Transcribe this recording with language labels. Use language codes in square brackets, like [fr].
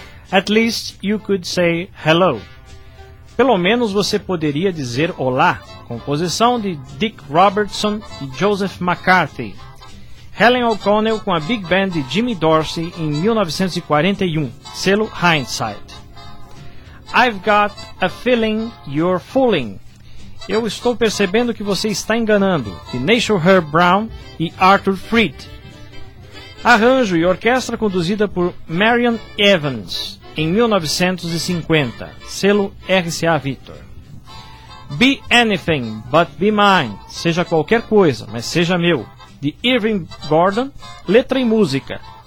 [en] At least you could say hello. [pt] Pelo menos você poderia dizer olá. Composição de Dick Robertson e Joseph McCarthy. Helen O'Connell com a Big Band de Jimmy Dorsey em 1941. Selo Hindsight. [en] I've got a feeling you're fooling. [pt] Eu estou percebendo que você está enganando. De Nature Herb Brown e Arthur Freed. Arranjo e orquestra conduzida por Marion Evans. Em 1950, selo RCA Victor. Be Anything But Be Mine, seja qualquer coisa, mas seja meu, de Irving Gordon, letra e música.